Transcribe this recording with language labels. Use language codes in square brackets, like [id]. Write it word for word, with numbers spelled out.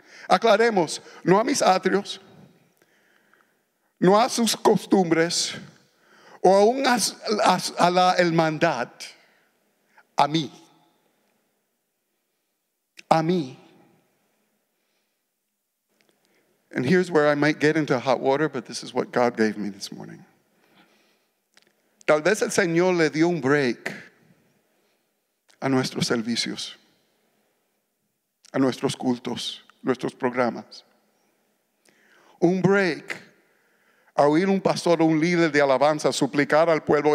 [es] Aclaremos, no a mis atrios, no a sus costumbres, o aún a, a, a la hermandad, a mí, a mí. [en] And here's where I might get into hot water, but this is what God gave me this morning. [es] Tal vez el Señor le dio un break a nuestros servicios, a nuestros cultos, nuestros programas. Un break a oír un pastor o un líder de alabanza suplicar al pueblo.